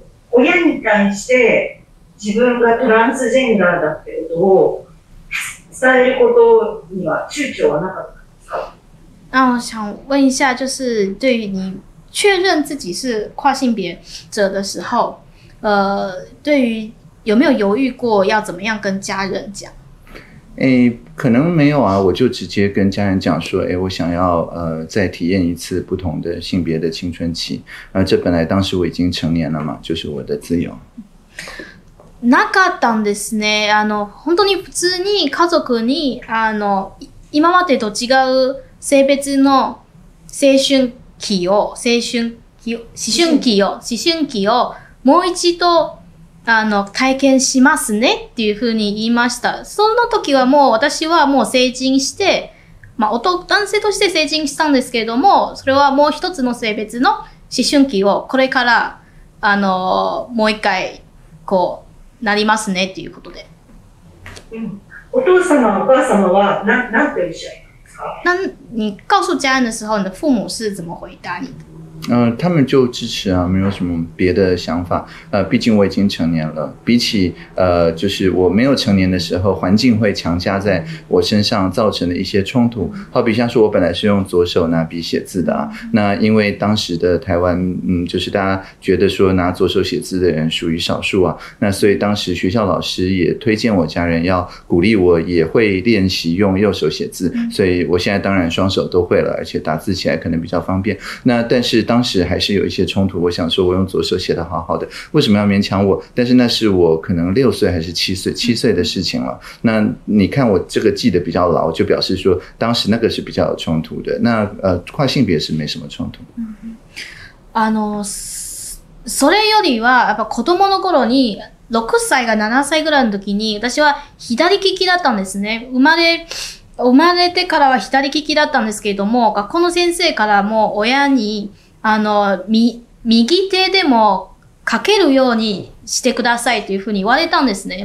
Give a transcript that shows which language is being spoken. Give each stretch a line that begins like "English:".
Japanese: 親に対して自分がトランスジェンダーだってことを伝えることには躊躇はなかったですか？
Chinese: 那我想问一下，就是对于你确认自己是跨性别者的时候，对于有没有犹豫过要怎么样跟家人讲？欸，可能没有啊，我就直接跟家人讲说，欸，我想要再体验一次不同的性别的青春期，这本来当时我已经成年了嘛，就是我的自由。
Japanese: なかったんですね。あの本当に普通に家族にあの今までと違う性別の青春期を思春期をもう一度あの体験しますねっていうふうに言いました。その時はもう私はもう成人して、まあ男性として成人したんですけれども、それはもう一つの性別の思春期をこれからあのもう一回こうなりますねっていうことで。うん、お父様お母様は何て言うんですか。
Chinese: 你告诉家人的时候，你的父母是怎么回答你的？他们就支持啊，没有什么别的想法。毕竟我已经成年了，比起就是我没有成年的时候，环境会强加在我身上造成的一些冲突。好比像说我本来是用左手拿笔写字的啊，那因为当时的台湾，就是大家觉得说拿左手写字的人属于少数啊，那所以当时学校老师也推荐我家人要鼓励我也会练习用右手写字，所以我现在当然双手都会了，而且打字起来可能比较方便。那但是当时还是有一些冲突，我想说我用左手写得好好的，为什么要勉强我？但是那是我可能六岁还是七岁的事情了。那你看我这个记得比较牢，就表示说当时那个是比较有冲突的。那跨性别是没什么冲突。
Japanese: あのそれよりはやっぱ子供の頃に6歳が7歳ぐらいの時に私は左利きだったんですね。生まれてからは左利きだったんですけれども、学校の先生からも親にあの右手でも書けるようにしてくださいというふうに言われたんですね。